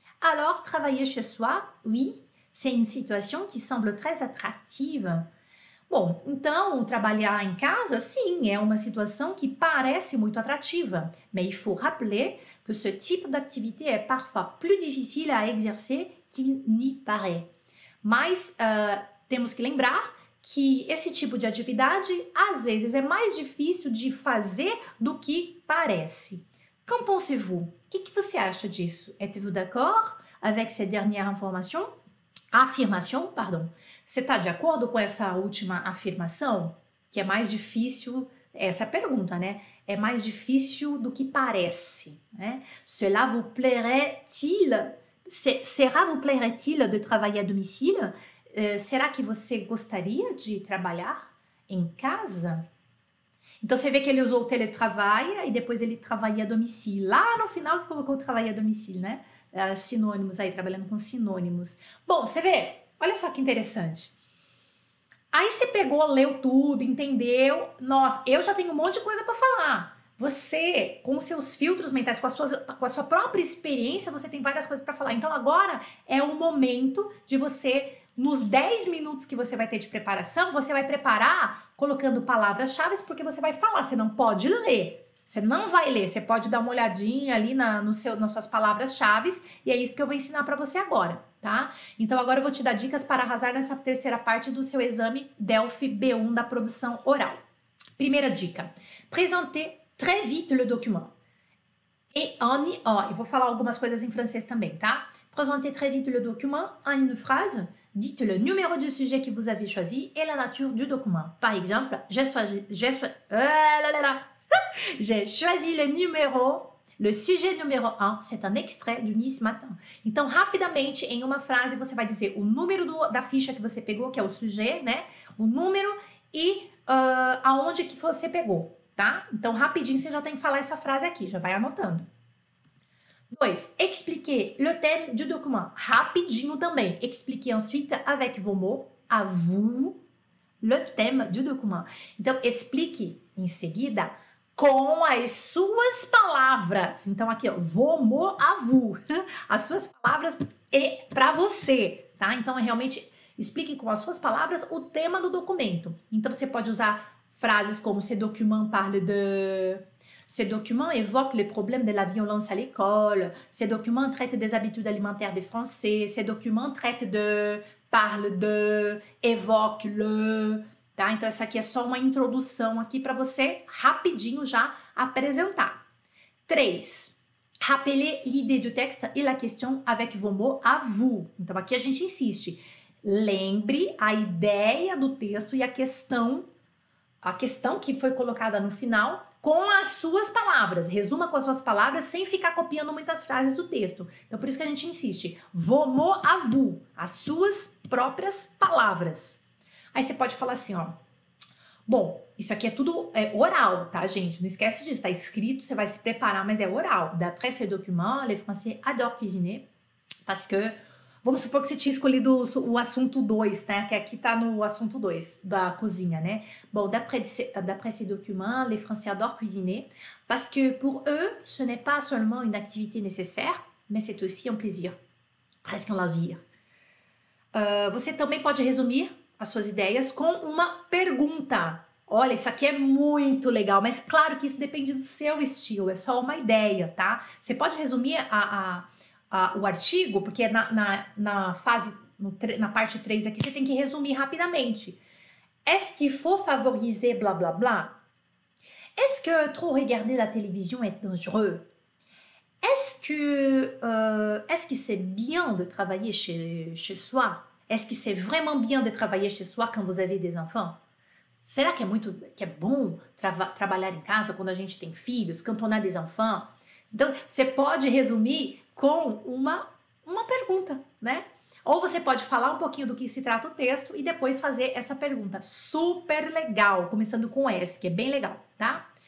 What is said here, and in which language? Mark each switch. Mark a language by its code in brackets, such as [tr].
[fr] Alors, travailler chez soi, oui, c'est une situation qui semble très attractive. [pt] Bom, então, trabalhar em casa, sim, é uma situação que parece muito atrativa. [fr] Mais il faut rappeler que ce type d'activité est parfois plus difficile à exercer qu'il n'y paraît. [pt] Mas, temos que lembrar que esse tipo de atividade às vezes é mais difícil de fazer do que parece. [fr] Qu'en pensez-vous? [pt] Que você acha disso? [fr] Êtes-vous d'accord avec cette dernière information? Affirmation, pardon. [pt] Você está de acordo com essa última afirmação? Que é mais difícil, essa é a pergunta, né? É mais difícil do que parece, né? [fr] Será vous plairait-il de travailler à domicile? [pt] Será que você gostaria de trabalhar em casa? Então você vê que ele usou o teletrabalho e depois ele trabalha a domicílio. Lá no final que colocou trabalha a domicílio, né? Sinônimos aí, trabalhando com sinônimos. Bom, você vê, Olha só que interessante. Aí você pegou, leu tudo, entendeu? Nossa, eu já tenho um monte de coisa para falar. Você, com seus filtros mentais, com a sua própria experiência, você tem várias coisas para falar. Então agora é o momento de você, nos 10 minutos que você vai ter de preparação, você vai preparar colocando palavras-chave, porque você vai falar, você não pode ler. Você não vai ler, você pode dar uma olhadinha ali nas suas palavras-chave, e é isso que eu vou ensinar para você agora, tá? Então agora eu vou te dar dicas para arrasar nessa terceira parte do seu exame DELFI B1 da produção oral. Primeira dica: [fr] présenter très vite le document. Et on y va. [pt] Eu vou falar algumas coisas em francês também, tá? [fr] Présenter très vite le document en une phrase. Dites le numéro du sujet que vous avez choisi et la nature du document. Par exemple, j'ai choisi le numéro, le sujet numéro 1. C'est un extrait du Nice Matin. [pt] Então, rapidamente, em uma frase, você vai dizer o número da ficha que você pegou, que é o sujet, né? O número e aonde que você pegou, tá? Então, rapidinho, você já tem que falar essa frase aqui, já vai anotando. 2. [fr] Expliquer le thème du document. [pt] Rapidinho também. [fr] Expliquer ensuite avec vos mots, à vous, le thème du document. [pt] Então, explique em seguida com as suas palavras. Então, aqui, [fr] vos mots, à vous. [pt] As suas palavras é para você, tá? Então, realmente, explique com as suas palavras o tema do documento. Então, você pode usar frases como [fr] ce document parle de. Ce document évoque les problèmes de la violence à l'école. Ce document traite des habitudes alimentaires des Français. Ce document traite de, parle de, évoque le. [pt] Tá? Então, essa aqui é só uma introdução aqui para você rapidinho já apresentar. 3. [fr] Rappeler l'idée du texte et la question avec vos mots à vous. [pt] Então, aqui a gente insiste. Lembre a ideia do texto e a questão que foi colocada no final. Com as suas palavras, resuma com as suas palavras sem ficar copiando muitas frases do texto. Então, por isso que a gente insiste: [fr] vos mots à vous, [pt] as suas próprias palavras. Aí você pode falar assim, ó. Bom, isso aqui é tudo oral, tá, gente? Não esquece disso, tá escrito, você vai se preparar, mas é oral. [fr] D'après ce document, les Français adorent cuisiner, parce que. [pt] Vamos supor que você tinha escolhido o assunto 2, né? Que aqui tá no assunto 2 da cozinha, né? [fr] Bom, d'après ces documents, les Français adorent cuisiner parce que pour eux, ce n'est pas seulement une activité nécessaire, mais c'est aussi un plaisir, presque un loisir. [pt] Você também pode resumir as suas ideias com uma pergunta. Olha, isso aqui é muito legal, mas claro que isso depende do seu estilo, é só uma ideia, tá? Você pode resumir o artigo, porque na fase, no na parte 3 aqui, você tem que resumir rapidamente. [fr] Est-ce qu'il faut favoriser blá blá blá? Est-ce que trop regarder la télévision est dangereux? Est-ce que c'est bien de travailler chez soi? Est-ce que c'est vraiment bien de travailler chez soi quand vous avez des enfants? [pt] Será que é bom trabalhar em casa quando a gente tem filhos, [fr] quand on a des enfants? [pt] Então, você pode resumir com uma pergunta, né? Ou você pode falar um pouquinho do que se trata o texto e depois fazer essa pergunta. Super legal, começando com S, que é bem legal, tá?